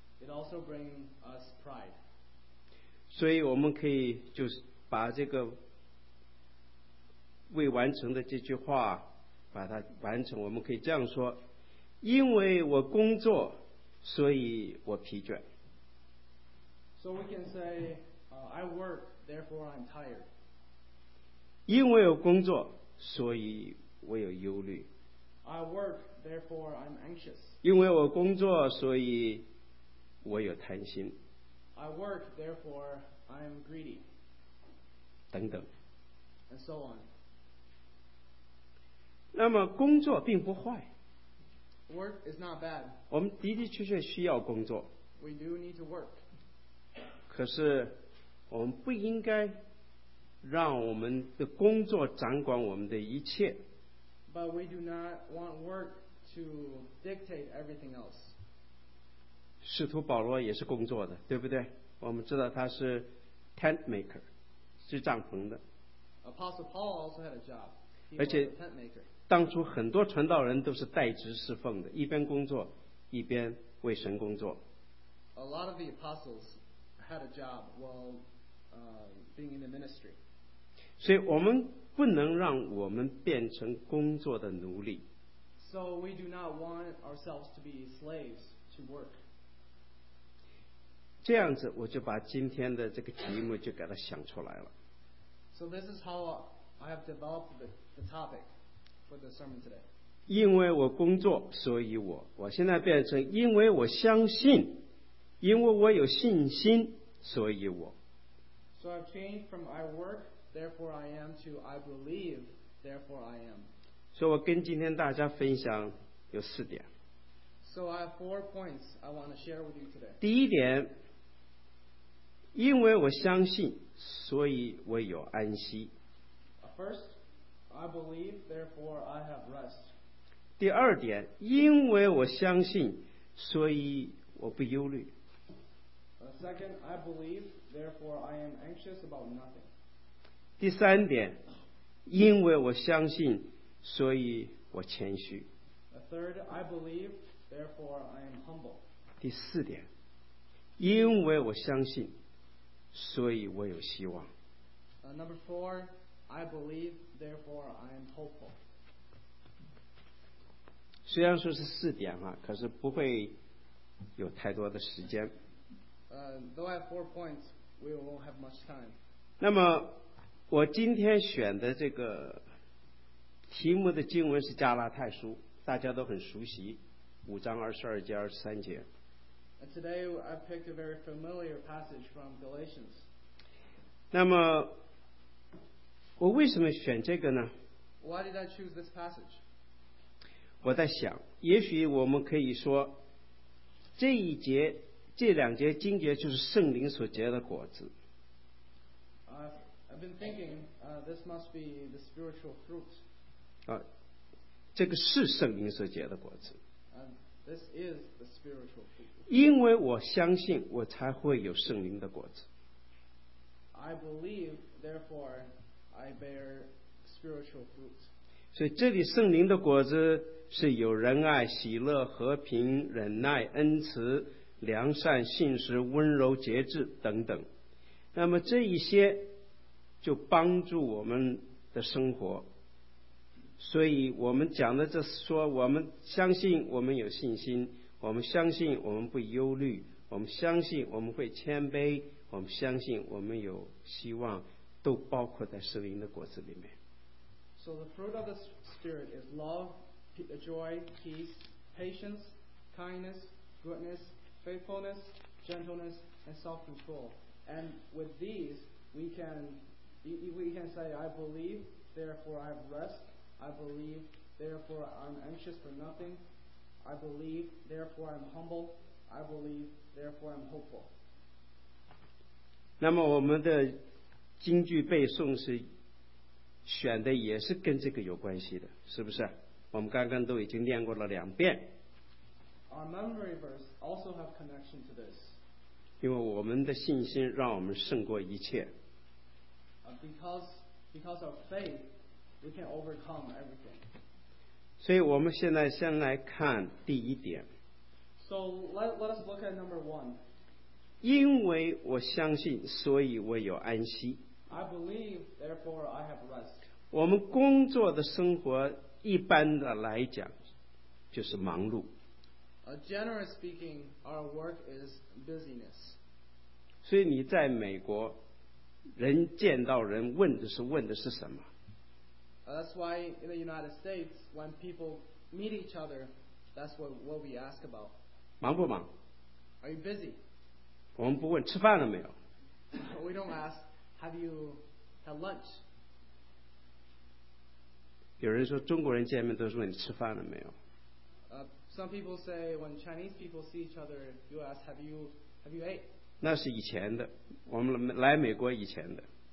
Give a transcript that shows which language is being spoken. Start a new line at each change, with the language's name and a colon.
English: It also brings us pride.
Chinese: 所以我们可以就是把这个未完成的这句话把它完成，我们可以这样说。因为我工作，所以我疲倦。
English: So we can say, I work, therefore I'm tired.
Chinese: 因为我工作，所以我有忧虑。
English: I work, therefore I'm anxious.
Chinese: 因为我工作，所以我有贪心。
English: I work, therefore I'm greedy.
Chinese: 等等。
English: And so on.
Chinese: 那么工作并不坏。
English: Work is not bad.
Chinese: 我们的的确确需要工作。
English: We do need to work.
Chinese: 可是我们不应该让我们的工作掌管我们的一切。
English: But we do not want work to dictate everything else.
Chinese: 使徒保罗也是工作的，对不对？我们知道他是
English: tent maker.
Chinese: 支帐篷的。
English: Apostle Paul also had a job.
Chinese: 而且当初很多传道人都是代职侍奉的，一边工作一边为神工作。
English: A lot of the apostles had a job while being in the ministry.
Chinese: 所以我们不能让我们变成工作的奴隶。
English: So we do not want ourselves to be slaves to work.
Chinese: 这样子我就把今天的这个题目就给它想出来了。
English: So this is how I have developed the topic for the sermon today.
Chinese: 因为我工作，所以我现在变成因为我相信，因为我有信心，所以我。
English: So I've changed from I work, therefore I am, to I believe, therefore I am.
Chinese: 所以我跟今天大家分享有四点。
English: So I have four points I want to share with you today.
Chinese: 第一点，因为我相信，所以我有安息。
English: First, I believe, therefore I have rest.
Chinese: 第二点，因为我相信，所以我不忧虑。
English: Second, I believe, therefore I am anxious about nothing.
Chinese: 第三点，因为我相信，所以我谦虚。
English: Third, I believe, therefore I am humble.
Chinese: 第四点，因为我相信，所以我有希望。
English: Number four, I believe, therefore I am hopeful.
Chinese: 虽然说是四点哈，可是不会有太多的时间。
English: Though I have four points, we won't have much time.
Chinese: 那么我今天选的这个题目的经文是加拉太书，大家都很熟悉，五章二十二节二十三节。
English: And today I picked a very familiar passage from Galatians.
Chinese: 那么我为什么选这个呢？
English: Why did I choose this passage?
Chinese: 我在想，也许我们可以说这一节这两节经节就是圣灵所结的果子。
English: I've been thinking, this must be the spiritual fruit.
Chinese: 这个是圣灵所结的果子。
English: This is the spiritual fruit.
Chinese: 因为我相信，我才会有圣灵的果子。
English: I believe, therefore, I bear spiritual fruit.
Chinese: 所以这里圣灵的果子是有仁爱、喜乐、和平、忍耐、恩慈、良善、信实、温柔、节制等等，那么这一些就帮助我们的生活。所以我们讲的这说，我们相信我们有信心，我们相信我们不忧虑，我们相信我们会谦卑，我们相信我们有希望，都包括在圣灵的果子里面。
English: So the fruit of the Spirit is love, joy, peace, patience, kindness, goodness, faithfulness, gentleness, and self-control. And with these, we can say, I believe, therefore I have rest. I believe, therefore I'm anxious for nothing. I believe, therefore I'm humble. I believe, therefore I'm hopeful.
Chinese: 那么我们的经句背诵是选的也是跟这个有关系的，是不是？我们刚刚都已经念过了两遍。
English: Our memory verse also have connection to this.
Chinese: 因为我们的信心让我们胜过一切。
English: Because of faith, we can overcome everything.
Chinese: 所以我们现在先来看第一点。
English: So let us look at number one.
Chinese: 因为我相信，所以我有安息。
English: I believe, therefore I have rest.
Chinese: 我们工作的生活一般的来讲就是忙碌。
English: Generally speaking, our work is busyness.
Chinese: 所以你在美国，人见到人问的是什么？
English: That's why in the United States, when people meet each other, that's what we ask about.
Chinese: 忙不忙？
English: Are you busy?
Chinese: 我们不问吃饭了没有？
English: We don't ask, have you had lunch?
Chinese: 有人说中国人见面都是问你吃饭了没有？
English: Some people say when Chinese people see each other, you ask, have you ate?
Chinese: 那是以前的，我们来美国以前的。